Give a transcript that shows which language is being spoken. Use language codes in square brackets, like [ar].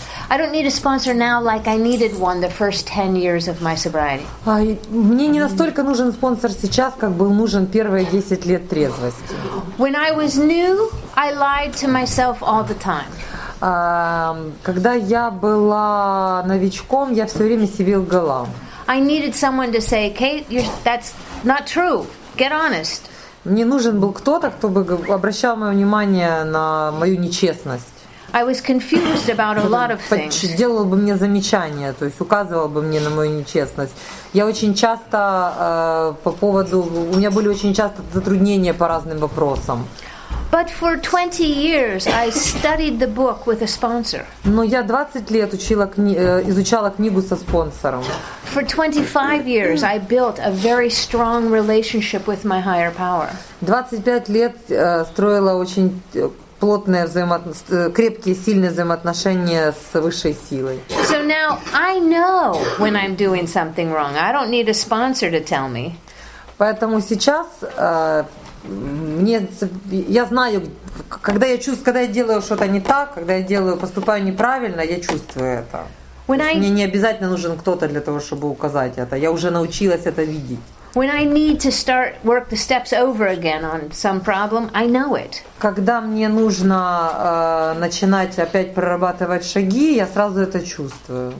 [en] I don't need a sponsor now like I needed one the first 10 years of my sobriety. [ru] Мне не настолько нужен спонсор сейчас, как был нужен первые 10 лет трезвости. [en] When I was new, I lied to myself all the time. [ru] Когда я была новичком, я все время себе лгала. [en] I needed someone to say, Kate, that's not true. Get honest. [ru] Мне нужен был кто-то, кто бы обращал мое внимание на мою нечестность. [en] I was confused about a lot of things. [ru] Делал бы мне замечания, то есть указывал бы мне на мою нечестность. Я очень часто по поводу... У меня были очень часто затруднения по разным вопросам. [en] But for 20 years I studied the book with a sponsor. [ru] Но я 20 лет изучала книгу со спонсором. [en] For 25 years I built a very strong relationship with my higher power. [ru] 25 лет строила очень плотные крепкие сильные взаимоотношения с высшей силой. [en] So now I know when I'm doing something wrong. I don't need a sponsor to tell me. [ru] Поэтому сейчас я знаю, когда я делаю что-то не так, когда я поступаю неправильно, я чувствую это. Мне не обязательно нужен кто-то для того, чтобы указать это. Я уже научилась это видеть. Когда мне нужно начинать опять прорабатывать шаги, я сразу это чувствую.